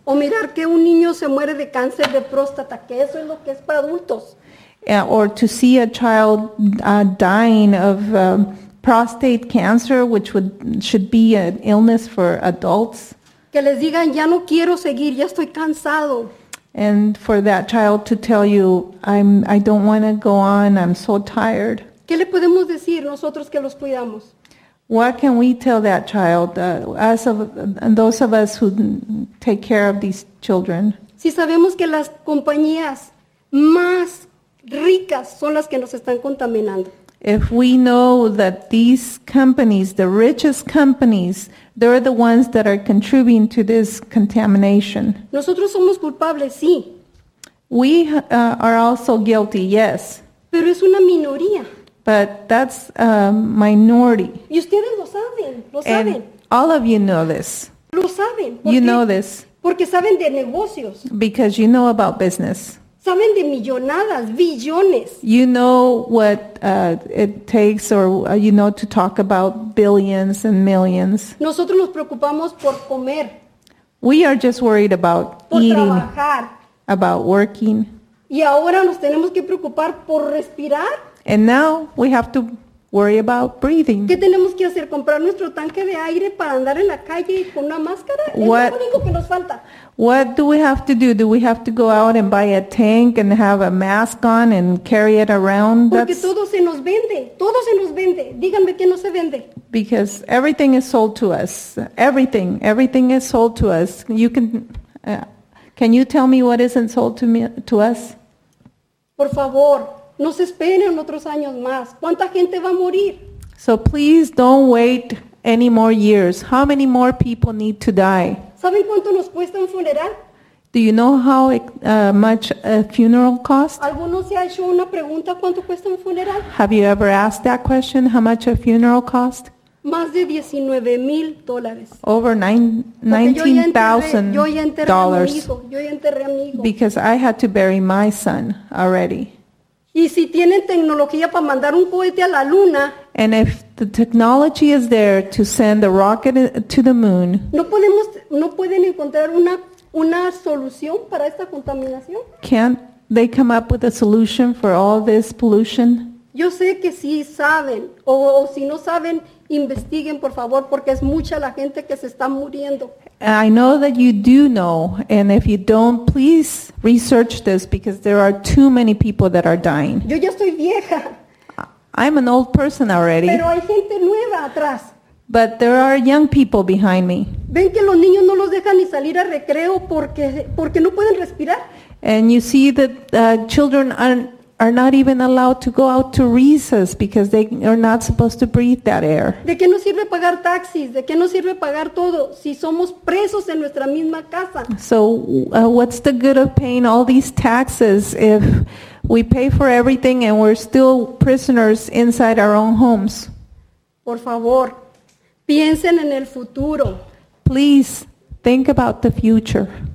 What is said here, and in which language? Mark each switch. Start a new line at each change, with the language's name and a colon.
Spanish: O mirar que un niño se muere de cáncer de próstata, que eso es lo que es para adultos.
English: or to see a child dying of prostate cancer, which would should be an illness for adults.
Spanish: Que les digan, ya no quiero seguir, ya estoy cansado.
English: And for that child to tell you, I don't want to go on, I'm so tired.
Spanish: ¿Qué le podemos decir nosotros que los cuidamos?
English: What can we tell that child, us of, those of us who take care of these children?
Spanish: Si sabemos que las compañías más ricas son las que nos están contaminando.
English: If we know that these companies, the richest companies, they're the ones that are contributing to this contamination.
Spanish: Nosotros somos culpables, sí.
English: We are also guilty, yes.
Spanish: Pero es una minoría.
English: But that's a minority.
Spanish: Y ustedes lo saben, lo
English: and
Spanish: saben.
English: All of you know this.
Spanish: Lo saben. Porque,
English: you know this.
Spanish: Porque saben de negocios.
English: Because you know about business.
Spanish: Saben de millonadas, billones.
English: You know what it takes, or you know to talk about billions and millions.
Spanish: Nosotros nos preocupamos por comer.
English: We are just worried about
Spanish: por
English: eating,
Spanish: trabajar.
English: About working.
Spanish: Y ahora nos tenemos que preocupar por respirar.
English: And now we have to worry about breathing.
Spanish: ¿Qué tenemos que hacer? ¿Comprar nuestro tanque de aire para andar en la calle con una máscara?
English: What,
Spanish: es lo único que nos falta.
English: What do we have to do? Do we have to go out and buy a tank and have a mask on and carry it around?
Spanish: Porque that's, todo se nos vende. Todo se nos vende. Díganme que no se vende.
English: Because everything is sold to us. Everything. Everything is sold to us. You can you tell me what isn't sold to me to us?
Spanish: Por favor. No se esperen otros años más. ¿Cuánta gente va a morir?
English: So please don't wait any more years. How many more people need to die?
Spanish: ¿Saben cuánto nos cuesta un funeral?
English: Do you know how much a funeral costs?
Spanish: ¿Alguno se ha hecho una pregunta cuánto cuesta un funeral?
English: Have you ever asked that question, how much a funeral cost?
Spanish: Más de $19,000.
English: Over $19,000.
Spanish: Yo ya enterré a mi hijo.
English: Because I had to bury my son already.
Spanish: Y si tienen tecnología para mandar un cohete a la luna.
English: And if the technology is there to send a rocket to the moon.
Spanish: No pueden encontrar una solución para esta contaminación.
English: Can't they come up with a solution for all this pollution?
Spanish: Yo sé que si saben o si no saben, investiguen por favor, porque es mucha la gente que se está muriendo.
English: I know that you do know, and if you don't, please research this because there are too many people that are dying.
Spanish: Yo ya estoy vieja.
English: I'm an old person already.
Spanish: Pero hay gente nueva atrás.
English: But there are young people behind me.
Spanish: ¿Ven que los niños no los dejan ni salir a recreo porque no pueden respirar?
English: And you see that children are not even allowed to go out to recess because they are not supposed to breathe that air.
Spanish: ¿De qué nos sirve pagar taxis? ¿De qué nos sirve pagar todo si somos presos en nuestra misma casa?
English: So what's the good of paying all these taxes if we pay for everything and we're still prisoners inside our own homes?
Spanish: Por favor, piensen en el futuro.
English: Please think about the future.